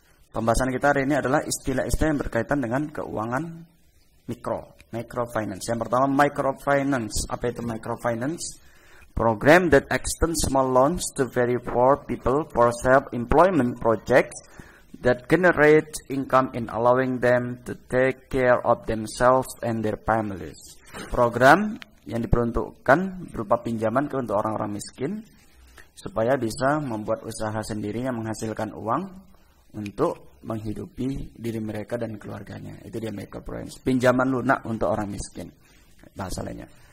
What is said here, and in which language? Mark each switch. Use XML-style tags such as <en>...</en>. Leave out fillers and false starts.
<id>Pembahasan kita hari ini adalah istilah-istilah yang berkaitan dengan keuangan mikro, microfinance. Yang pertama, microfinance. Apa itu microfinance?</id> <en>Program that extends small loans to very poor people for self-employment projects that generate income in allowing them to take care of themselves and their families.</en> <id>Program yang diperuntukkan berupa pinjaman ke untuk orang-orang miskin supaya bisa membuat usaha sendiri yang menghasilkan uang untuk menghidupi diri mereka dan keluarganya. Itu dia microfinance. Pinjaman lunak untuk orang miskin. Bahasa lainnya.</id>